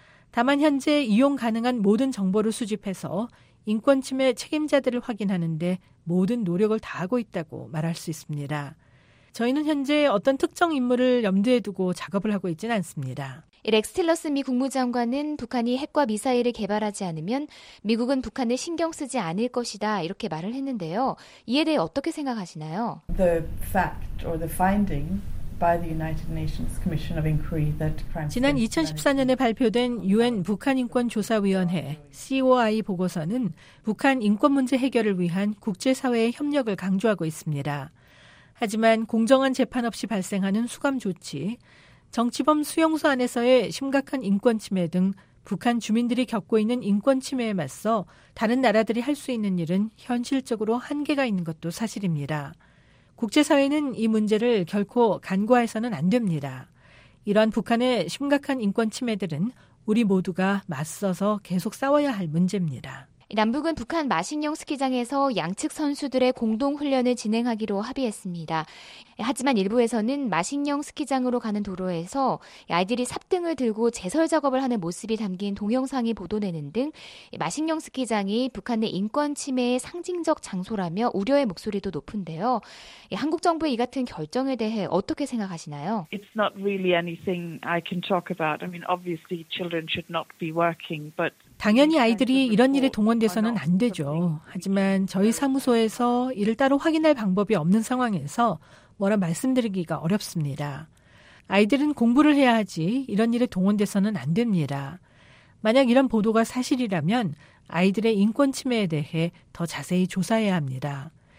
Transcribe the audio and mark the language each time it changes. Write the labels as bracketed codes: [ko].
[ko] 다만 현재 이용 가능한 모든 정보를 수집해서 인권침해 책임자들을 확인하는데 모든 노력을 다하고 있다고 말할 수 있습니다. 저희는 현재 어떤 특정 인물을 염두에 두고 작업을 하고 있지는 않습니다. 렉스 틸러스 미 국무장관은 북한이 핵과 미사일을 개발하지 않으면 미국은 북한을 신경 쓰지 않을 것이다 이렇게 말을 했는데요. 이에 대해 어떻게 생각하시나요? [en] The fact or the finding by the United Nations Commission of Inquiry that [ko] 지난 2014년에 발표된 UN 북한인권조사위원회 COI 보고서는 북한 인권 문제 해결을 위한 국제사회의 협력을 강조하고 있습니다. 하지만 공정한 재판 없이 발생하는 수감 조치, 정치범 수용소 안에서의 심각한 인권 침해 등 북한 주민들이 겪고 있는 인권 침해에 맞서 다른 나라들이 할 수 있는 일은 현실적으로 한계가 있는 것도 사실입니다. 국제사회는 이 문제를 결코 간과해서는 안 됩니다. 이러한 북한의 심각한 인권 침해들은 우리 모두가 맞서서 계속 싸워야 할 문제입니다. 남북은 북한 마신령 스키장에서 양측 선수들의 공동훈련을 진행하기로 합의했습니다. 하지만 일부에서는 마신령 스키장으로 가는 도로에서 아이들이 삽등을 들고 제설 작업을 하는 모습이 담긴 동영상이 보도되는 등 마신령 스키장이 북한의 인권 침해의 상징적 장소라며 우려의 목소리도 높은데요. 한국 정부의 이 같은 결정에 대해 어떻게 생각하시나요? [en] It's not really anything I can talk about. I mean, obviously children should not be working, but [ko] 당연히 아이들이 이런 일에 동원돼서는 안 되죠. 하지만 저희 사무소에서 이를 따로 확인할 방법이 없는 상황에서 뭐라 말씀드리기가 어렵습니다. 아이들은 공부를 해야 하지 이런 일에 동원돼서는 안 됩니다. 만약 이런 보도가 사실이라면 아이들의 인권 침해에 대해 더 자세히 조사해야 합니다.